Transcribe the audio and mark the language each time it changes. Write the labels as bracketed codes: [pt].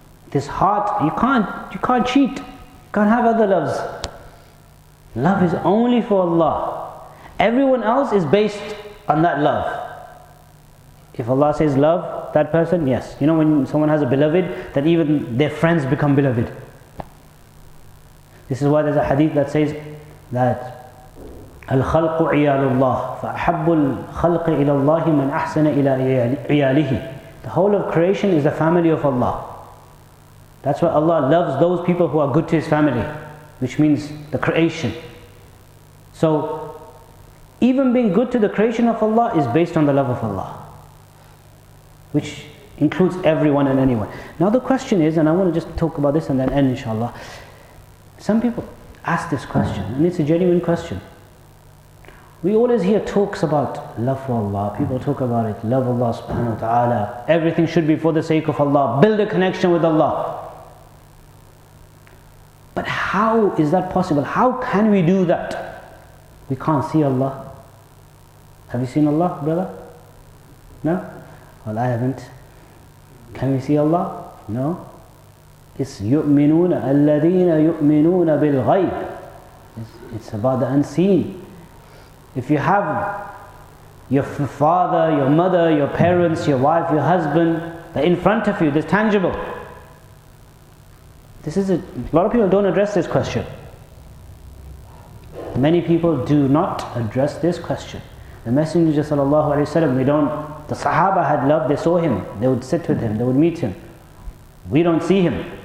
[en] This heart, you can't cheat. You can't have other loves. Love is only for Allah. Everyone else is based on that love. If Allah says love that person, yes. You know when someone has a beloved, that even their friends become beloved. This is why there's a hadith that says that [ar] الْخَلْقُ عِيَالُ اللَّهِ فَأَحَبُّ الْخَلْقِ إِلَى اللَّهِ مَنْ أَحْسَنَ إِلَى عِيَالِهِ. [en] The whole of creation is the family of Allah. That's why Allah loves those people who are good to His family, which means the creation. So, even being good to the creation of Allah is based on the love of Allah, which includes everyone and anyone. Now the question is, and I want to just talk about this and then end inshallah. Some people ask this question, and it's a genuine question. We always hear talks about love for Allah. People talk about it, love Allah subhanahu wa ta'ala. Everything should be for the sake of Allah. Build a connection with Allah. But how is that possible? How can we do that? We can't see Allah. Have you seen Allah, brother? No? Well, I haven't. Can we see Allah? No. [ar] It's يؤمنون الذين يؤمنون بالغيب. [en] It's about the unseen. If you have your father, your mother, your parents, your wife, your husband, they're in front of you, they're tangible. This is a lot of people don't address this question. Many people do not address this question. The Messenger sallallahu alaihi wasallam, the Sahaba had love, they saw him, they would sit with him, they would meet him. We don't see him.